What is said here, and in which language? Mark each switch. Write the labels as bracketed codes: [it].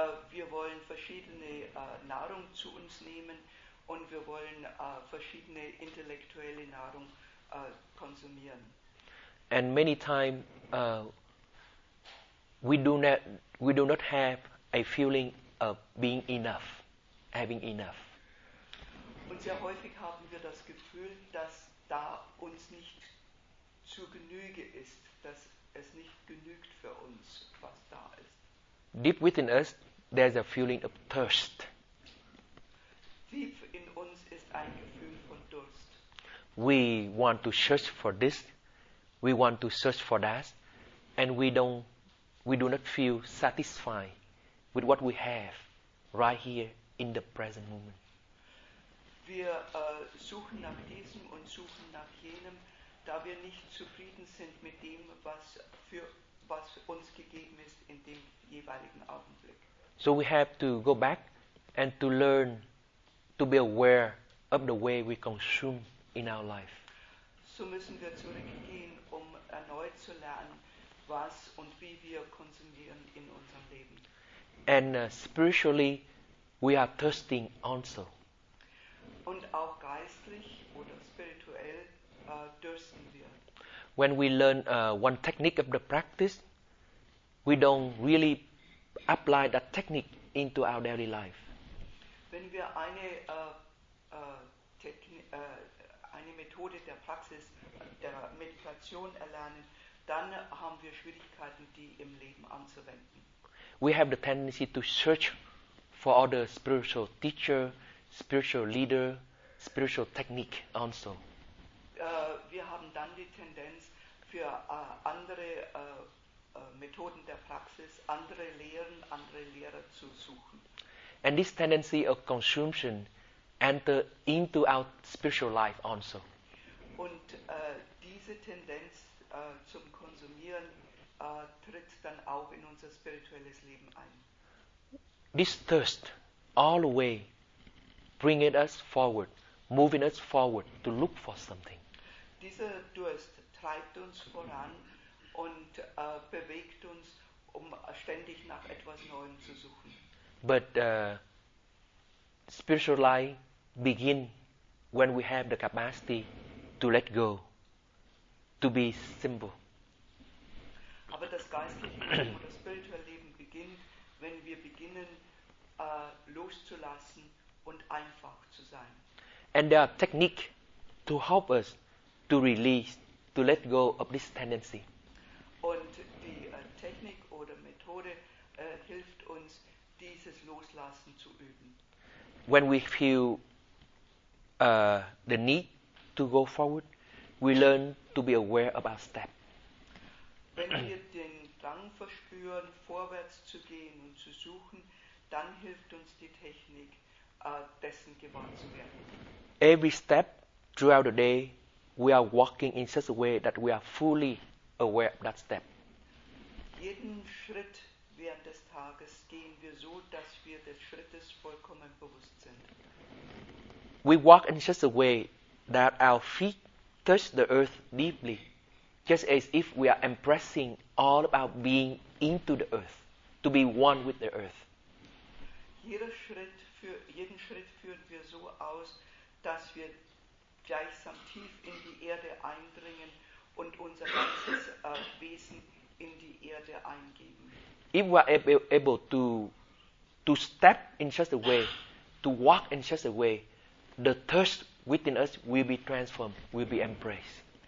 [de] Wir wollen verschiedene Nahrung zu uns nehmen und wir wollen verschiedene intellektuelle Nahrung konsumieren. [en] And many times we do not have a feeling of being enough, having enough. [de] Und sehr häufig haben wir das Gefühl, dass da uns nicht zu genüge ist, dass es nicht genügt für uns, was da ist. [en] Deep within us, there's a feeling of thirst. [de] Deep in uns ist ein Gefühl von Durst. [en] We want to search for this, we want to search for that, and we do not feel satisfied with what we have right here in the present moment. [de] Wir suchen nach diesem und suchen nach jenem, da wir nicht zufrieden sind mit dem, was uns gegeben ist in dem jeweiligen Augenblick. [en] So we have to go back and to learn to be aware of the way we consume in our life. [de] So müssen wir zurückgehen, um erneut zu lernen, was und wie wir konsumieren in unserem Leben. [en] And spiritually, we are thirsting also. [de] Und auch geistlich oder spirituell dürsten wir. [en] When we learn one technique of the practice, we don't really apply that technique into our daily life. [de] Wenn wir eine Methode der Praxis, der Meditation erlernen, dann haben wir Schwierigkeiten, die im Leben anzuwenden. [en] We have the tendency to search for other spiritual teacher, spiritual leader, spiritual technique also. [de] Wir haben dann die Tendenz, für andere Methoden der Praxis, andere Lehren, andere Lehrer zu suchen. [en] And this tendency of consumption enter into our spiritual life also. [de] Und diese Tendenz zum Konsumieren tritt dann auch in unser spirituelles Leben ein. [en] This thirst all the way bringing us forward, moving us forward to look for something. [de] Dieser Durst treibt uns voran und bewegt uns, um ständig nach etwas Neuem zu suchen. [en] But spiritual life begin when we have the capacity to let go, to be simple. [de] Aber das geistliche Leben oder spirituelle Leben beginnt, wenn wir beginnen loszulassen und einfach zu sein. [en] And there are techniques to help us to release, to let go of this tendency. [de] Und die Technik oder Methode hilft uns, dies Loslassen zu üben. [en] When we feel the need to go forward, we learn to be aware of our step. [de] Wenn wir den Drang verspüren, vorwärts zu gehen und zu suchen, dann hilft uns die Technik, dessen gewahr zu werden. [en] Every step throughout the day, we are walking in such a way that we are fully aware of that step. [de] Jeden Schritt während des Tages gehen wir so, dass wir des Schrittes vollkommen bewusst sind. [en] We walk in such a way that our feet touch the earth deeply, just as if we are impressing all of our being into the earth, to be one with the earth. [de] Jeden Schritt führen wir so aus, dass wir gleichsam tief in die Erde eindringen und unser ganzes Wesen in die Erde eingeben. [en] If we are able to step in such a way, to walk in such a way, the thirst within us will be transformed, will be embraced.